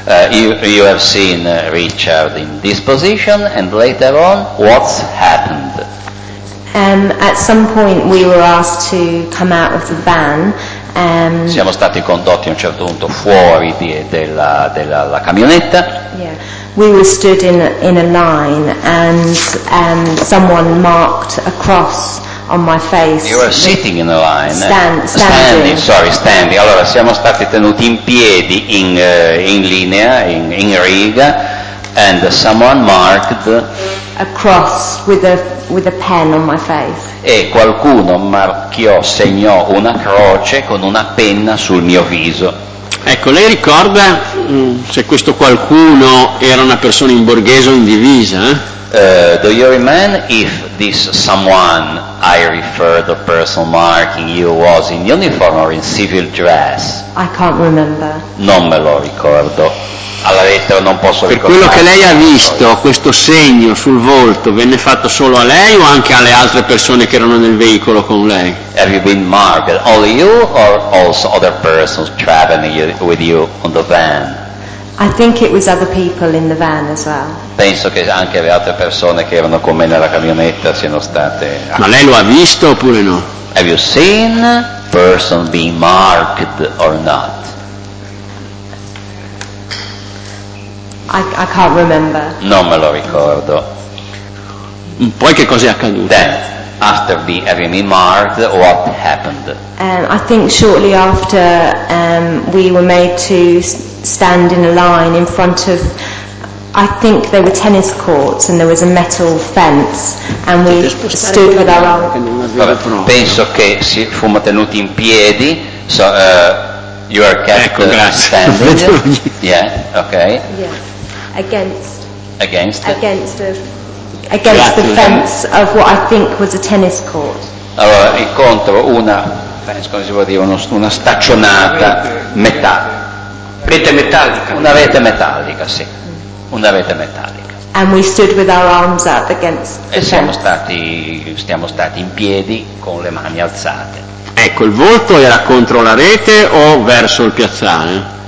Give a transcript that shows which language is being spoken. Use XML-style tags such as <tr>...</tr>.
<en>You have seen Richard in this position, and later on, what's happened? At some point we were asked to come out of the van.</en> <it>Siamo stati condotti a un certo punto fuori della camionetta.</it> <en>Yeah. We were stood in a line and someone marked a cross on my face. You were sitting in a line. Standing.</en> <it>Allora siamo stati tenuti in piedi in linea, in riga,</it> <en>and someone marked a cross with a pen on my face.</en> <it>E qualcuno segnò una croce con una penna sul mio viso. Ecco, lei ricorda se questo qualcuno era una persona in borghese o in divisa?</it> <en>Do you remember if this someone I refer the person marking you was in uniform or in civil dress? I can't remember.</en> <it>Non me lo ricordo. Alla lettera non posso ricordare. Per quello che lei ha visto, questo segno sul volto venne fatto solo a lei o anche alle altre persone che erano nel veicolo con lei?</it> <en>Have you been marked only you or also other persons traveling with you on the van? I think it was other people in the van as well.</en> <it>Penso che anche le altre persone che erano con me nella camionetta siano state. Ma lei lo ha visto oppure no?</it> <en>Have you seen person being marked or not? I can't remember.</en> <it>Non me lo ricordo. Poi che cosa è accaduto?</it> <en>Then, after having been marked, what happened? I think shortly after we were made to stand in a line in front of, I think they were tennis courts and there was a metal fence and we stood with our arms.</en> <it>Penso che si fumo tenuti in piedi.</it> <en>So you are kept standing. Yeah. Okay. Yeah. Against the fence of what I think was a tennis court.</en> <it>Allora, incontro una fence, come si può dire, una staccionata rete metallica, sì. Una rete metallica.</it> <en>And we stood with our arms up against the fence.</en> <it>E siamo stati in piedi con le mani alzate. Ecco, il volto era contro la rete o verso il piazzale?</it>